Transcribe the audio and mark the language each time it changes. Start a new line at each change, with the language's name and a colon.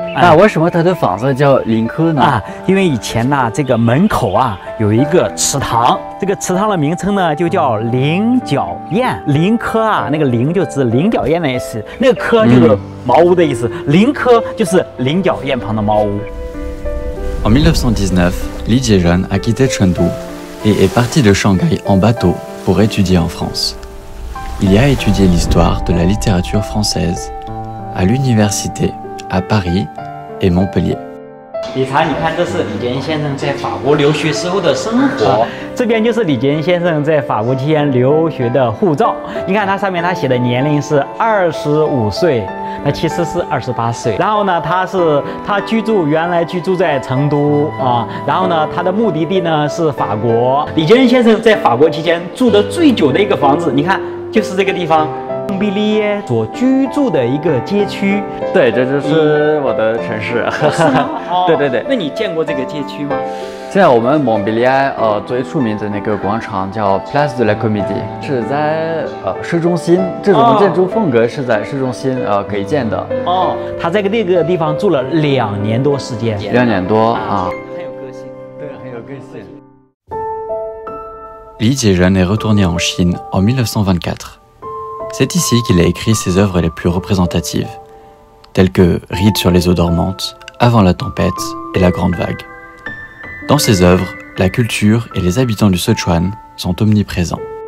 Chinese: 那为什么他的房子叫林科呢？因为以前呢，这个门口啊有一个池塘。这个池塘的名称呢，就叫菱角堰。菱科啊，那个菱就指菱角堰的意思，那个科就是茅屋的意思。菱科就是菱角堰旁的茅屋。
French: En 1919, Li Jiezhen a quitté Chengdu et est parti de Shanghai en bateau pour étudier en France. Il y a étudié l'histoire de la littérature française à l'université à Paris et Montpellier.
Chinese: 李查，你看，这是李坚先生在法国留学时候的生活。这边就是李坚先生在法国期间留学的护照。你看，他上面他写的年龄是25岁，那其实是28岁。然后呢，他居住原来居住在成都啊。然后呢，他的目的地呢是法国。李坚先生在法国期间住的最久的一个房子，你看，就是这个地方。蒙彼利耶所居住的一个街区，对，这就是我的城市。是吗？对对对。那你见过这个街区吗？在我们蒙彼利埃最出名的那个广场叫 Place de la Comédie， 是在市中心。这种建筑风格是在市中心可以见的。哦，他在那个地方住了2年多时间。两年多啊。很有个性。对，很有个性。
French: Li Jiezhen est retourné en Chine en 1924. C'est ici qu'il a écrit ses œuvres les plus représentatives, telles que « Rites sur les eaux dormantes »,« Avant la tempête » et « La grande vague ». Dans ses œuvres, la culture et les habitants du Sichuan sont omniprésents.